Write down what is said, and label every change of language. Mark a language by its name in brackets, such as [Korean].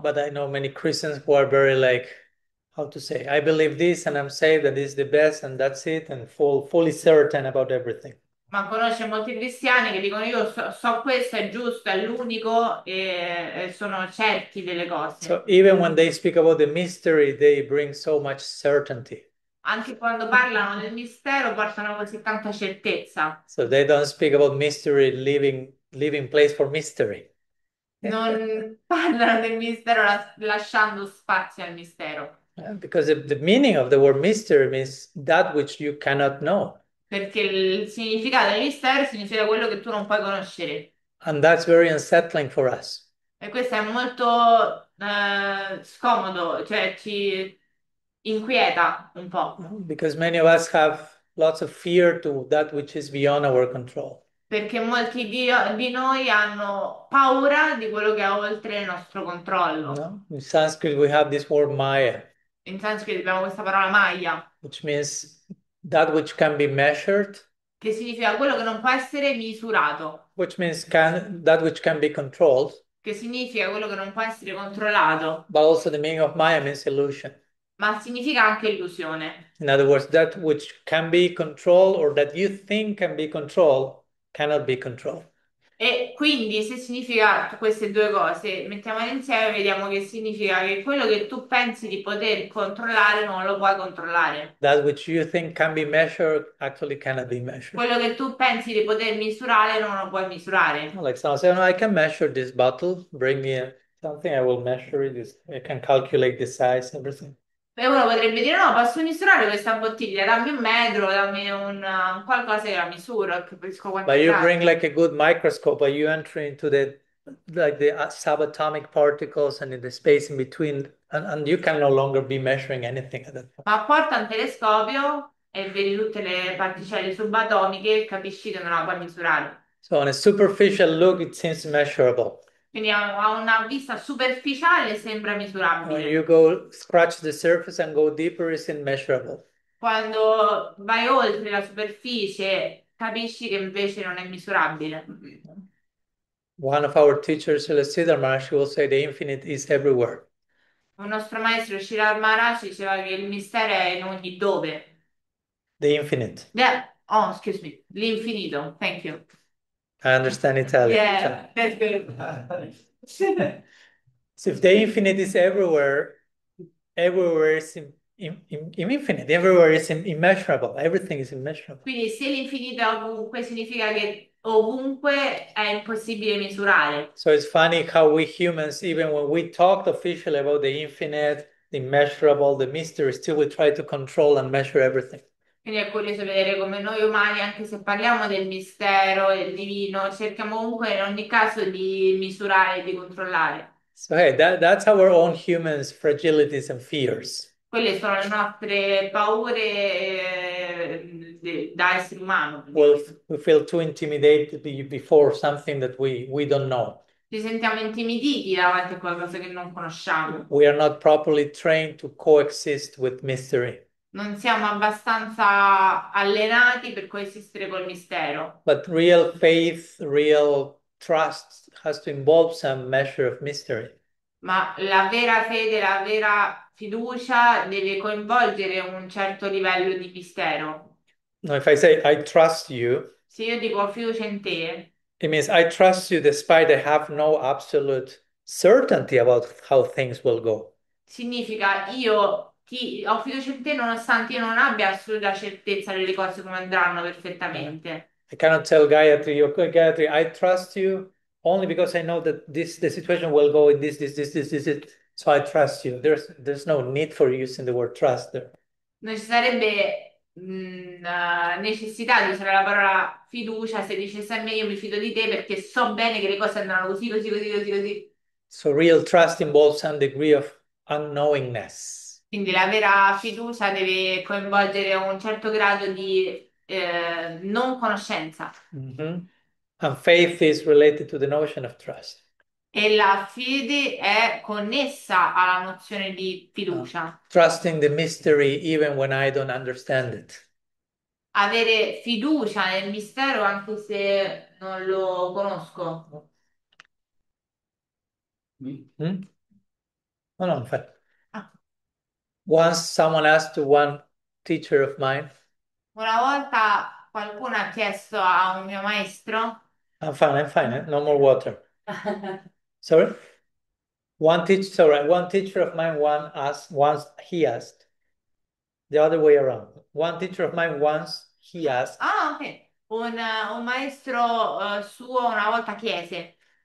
[English] But I know many Christians who are very like, how to say, I believe this and I'm saved and this is the best and that's it and fully certain about everything. [Italian] Ma conosce molti cristiani che dicono io so questo è giusto, è l'unico e sono certi delle [English] So [Italian] cose. [English] even when they speak about the mystery, they bring so much certainty. [Italian] Anche quando parlano del mistero portano così tanta certezza. [English] So they don't speak about mystery, living place for mystery. [Italian] Non parlano del mistero lasciando spazio al mistero. [English] Because the meaning of the word mystery means that which you cannot know. [Italian] Perché il significato del mistero significa quello che tu non puoi conoscere. [English] And that's very unsettling for us. [Italian] E questo è molto scomodo, cioè ci inquieta un po'. [English] Because many of us have lots of fear to that which is beyond our control. [Italian] Perché molti di noi hanno paura di quello che è oltre il nostro controllo. [English] No? In Sanskrit we have this word Maya. [Italian] In sanscrito abbiamo questa parola Maya, che [English] Which means that which can be measured, [Italian] significa quello che non può essere misurato, [English] which means can that which can be controlled, [Italian] che significa quello che non può essere controllato, [English] but also the meaning of Maya means illusion. [Italian] ma significa anche illusione. [English] In other words, that which can be controlled or that you think can be controlled cannot be controlled. [Italian] E quindi se significa queste due cose, mettiamole insieme e vediamo che significa che quello che tu pensi di poter controllare non lo puoi controllare. [English] That which you think can be measured actually cannot be measured. [Italian] Quello che tu pensi di poter misurare non lo puoi misurare. [English] Like someone say, no, I can measure this bottle, bring me something, I will measure it. I can calculate the size, everything. [Italian] E uno potrebbe dire no, posso misurare questa bottiglia, dammi un metro, dammi qualcosa che la misuro, capisco quanto [English] you bring [Italian] pesa. [English] like a good microscope, but you enter into the subatomic particles and in the space in between, and you can no longer be measuring anything at that point. [Italian] Ma porta un telescopio e vedi tutte le particelle subatomiche e capisci che non la puoi misurare. [English] So on a superficial look, it seems measurable. [Italian] Quindi a una vista superficiale sembra [English] When you [Italian] misurabile. [English] go scratch the surface and go deeper, it's immeasurable. [Italian] Quando vai oltre la superficie, capisci che invece non è misurabile. [English] One of our teachers, Celeste Sidharmarash, will say the infinite is everywhere. [Italian] Un nostro maestro Shri Maharaj diceva che il mistero è in ogni dove. [English] The infinite. Oh, excuse me, l'infinito. Thank you. I understand Italian. Ciao. Yeah, that's good. So if the infinite is everywhere, everywhere is infinite. Everywhere is immeasurable. Everything is immeasurable. [Italian] Quindi se l'infinito è ovunque, significa che ovunque è impossibile misurare. [English] So it's funny how we humans, even when we talked officially about the infinite, the immeasurable, the mystery, still we try to control and measure everything. [Italian] Quindi è curioso vedere come noi umani, anche se parliamo del mistero e del divino, cerchiamo comunque in ogni caso di misurare, di controllare. [English] So, hey, that's our own humans' fragilities and fears. [Italian] Quelle sono le nostre paure da essere umano. [English] We feel too intimidated before something that we don't know. [Italian] Ci sentiamo intimiditi davanti a qualcosa che non conosciamo. [English] We are not properly trained to coexist with mystery. [Italian] Non siamo abbastanza allenati per coesistere col mistero. [English] But real faith, real trust has to involve some measure of mystery. [Italian] Ma la vera fede, la vera fiducia deve coinvolgere un certo livello di mistero. [English] Now, if I say I trust you, it [Italian] Se io dico fiducia in te. [English] means I trust you despite I have no absolute certainty about how things will go. [Italian] Significa io ho fiducia in te nonostante io non abbia assoluta certezza delle cose come andranno [English] Yeah. [Italian] perfettamente. [English] I cannot tell Gayatri, okay, Gayatri, I trust you, only because I know that this the situation will go in this. So I trust you. There's no need for using the word trust there. [Italian] Non ci sarebbe necessità di usare la parola fiducia se dicesse a me io mi fido di te perché so bene che le cose andranno così, così, così, [English] So real trust involves some degree of unknowingness. [Italian] così, così. Quindi la vera fiducia deve coinvolgere un certo grado di non conoscenza. [English] And faith is related to the notion of trust. [Italian] E la fede è connessa alla nozione di fiducia. [English] Trusting the mystery even when I don't understand it. [Italian] Avere fiducia nel mistero anche se non lo conosco. [English] Oh, no, in fact. Once someone asked one teacher of mine, [Italian] Una volta qualcuno ha chiesto a un mio maestro. [English] I'm fine, no more water. Sorry? One teacher of mine he asked, the other way around. One teacher of mine once he asked, [Italian] Ah, ok. Un maestro suo una volta chiese: